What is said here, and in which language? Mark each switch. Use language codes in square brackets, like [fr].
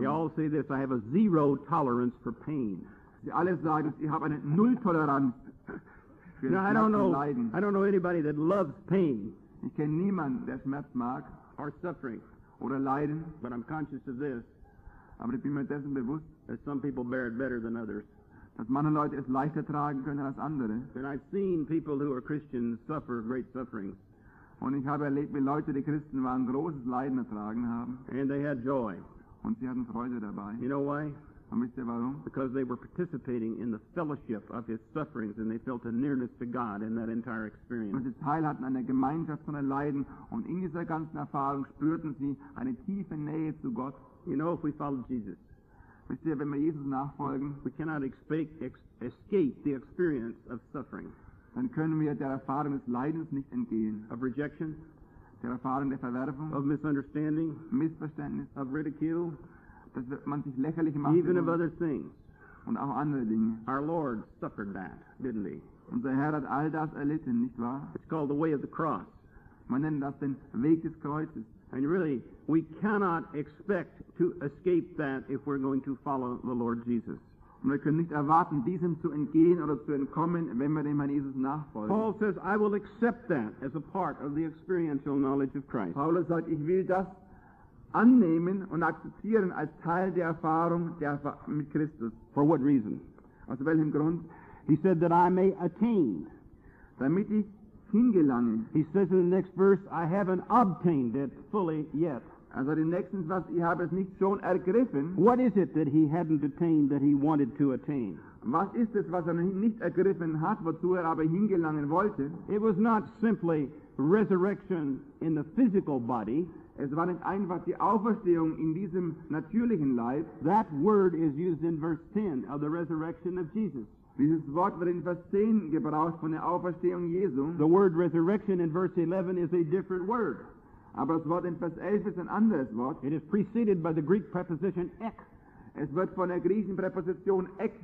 [en] They all say this, I have a zero tolerance for pain. [de] Sie alle sagen, ich habe eine Nulltoleranz für Schmerzen und Leiden. [en] I don't know anybody that loves pain. [de] Ich kenne niemanden, der Schmerz mag. [en] Or suffering. [de] oder leiden. [en] But I'm conscious of this. [de] Aber ich bin mir dessen bewusst. [en] That some people bear it better than others. [de] Dass manche Leute es leichter tragen können als andere. [en] And I've seen people who are Christians suffer great suffering. [de] Und ich habe erlebt, wie Leute, die Christen waren, großes Leiden ertragen haben. [en] And they had joy. [de] Und sie hatten Freude dabei. [en] You know why? [de] Und wisst ihr warum? [en] Because they were participating in the fellowship of his sufferings and they felt a nearness to God in that entire experience. [de] Und sie teil hatten an der Gemeinschaft von den Leiden und in dieser ganzen Erfahrung spürten sie eine tiefe Nähe zu Gott. [en] You know, if we follow Jesus, [de] wisst ihr, wenn wir Jesus nachfolgen, [en] we cannot escape the experience of suffering. [de] Dann können wir der Erfahrung des Leidens nicht entgehen. [en] Of rejection, [de] der Erfahrung der Verwerfung, [en] of misunderstanding, [de] Missverständnis, [en] of ridicule, [de] dass man sich lächerlich macht, [en] even of other things, [de] und auch andere Dinge. [en] Our Lord suffered that, didn't he? [de] Unser Herr hat all das erlitten, nicht wahr? [en] It's called the way of the cross. [de] Man nennt das den Weg des Kreuzes. [en] And really, we cannot expect to escape that if we're going to follow the Lord Jesus. [de] Und wir können nicht erwarten, diesem zu entgehen oder zu entkommen, wenn wir dem Herrn Jesus nachfolgen. [en] Paul says, I will accept that as a part of the experiential knowledge of Christ. [de] Paulus sagt, ich will das annehmen und akzeptieren als Teil der Erfahrung mit Christus. [en] For what reason? [de] Aus welchem Grund? [en] He said that I may attain. [de] Damit ich hingelange. [en] He says in the next verse, I haven't obtained it fully yet. [de] Also den nächsten Satz, ich habe es nicht schon ergriffen. [en] What is it that he hadn't attained that he wanted to attain? [de] Was ist es, was nicht ergriffen hat, wozu aber hingelangen wollte? [en] It was not simply resurrection in the physical body. [de] Es war nicht einfach die Auferstehung in diesem natürlichen Leib. [en] That word is used in verse 10 of the resurrection of Jesus. [de] Dieses Wort wird in Vers 10 gebraucht von der Auferstehung Jesu. [en] The word resurrection in verse 11 is a different word. [de] Aber das Wort in Vers 11 ist ein anderes Wort. [en] It is preceded by the Greek preposition ek. [de] Es wird von der griechischen Präposition ek